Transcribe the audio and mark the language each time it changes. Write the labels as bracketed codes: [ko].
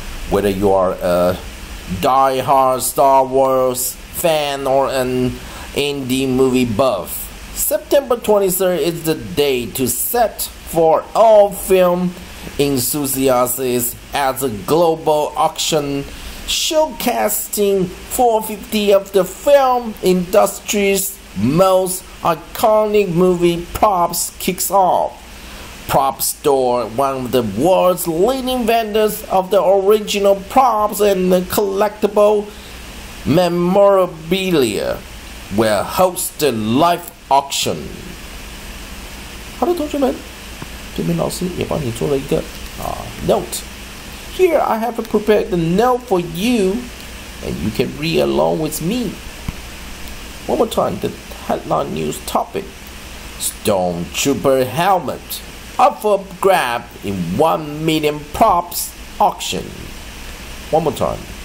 [en] Whether you are a diehard Star Wars fan or an indie movie buff, September 23rd is the day to set for all film enthusiasts at the global auction showcasing 450 of the film industry's most iconic movie props kicks off. Prop Store, one of the world's leading vendors of the original props and the collectible memorabilia, will host the live auction. [zh] 好的，同学们，对面老师也帮你做了一个note. [en] Here I have prepared the note for you, and you can read along with me. One more time, the headline news topic: Stormtrooper helmet up for grab in 1 million props auction. One more time.